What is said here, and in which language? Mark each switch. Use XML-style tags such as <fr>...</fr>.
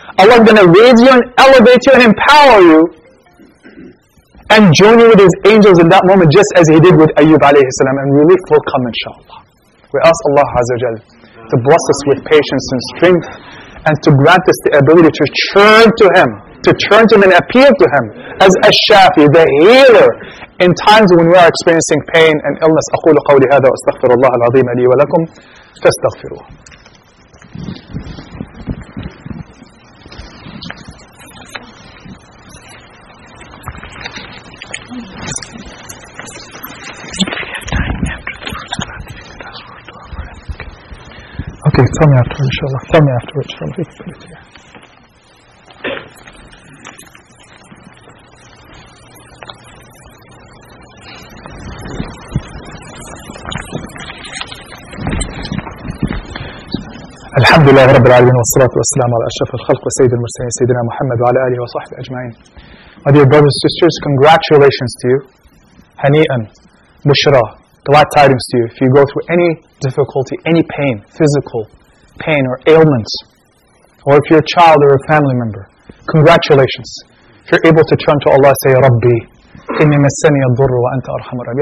<en>Allah is going to raise you and elevate you and empower you and join you with His angels in that moment, just as He did with Ayyub alayhi salam, and relief will come inshaAllah. We ask Allah Azza wa Jalla to bless us with patience and strength and to grant us the ability to turn to Him, to turn to Him and appeal to Him as Ash-Shafi, the healer, in times when we are experiencing pain and illness.</en> <ar>أقول قولي هذا وأستغفر الله العظيم لي ولكم فاستغفروه.</ar> <en>Okay, tell me afterwards, inshallah. Tell me afterwards, inshallah.</en> <ar>الحمد لله رب العالمين والصلاة والسلام على أشرف الخلق وسيد المرسلين سيدنا محمد وعلى آله وصحبه أجمعين.</ar> <en>My dear brothers and sisters, congratulations to you.</en> <ar>هنيئاً بشرى.</ar> <en>Glad tidings to you. If you go through any difficulty, any pain, physical pain or ailment, or if you're a child or a family member, congratulations. If you're able to turn to Allah, say, Rabbi,</en> <ar>إني مسني الضر وأنت أرحم الراحمين.</ar>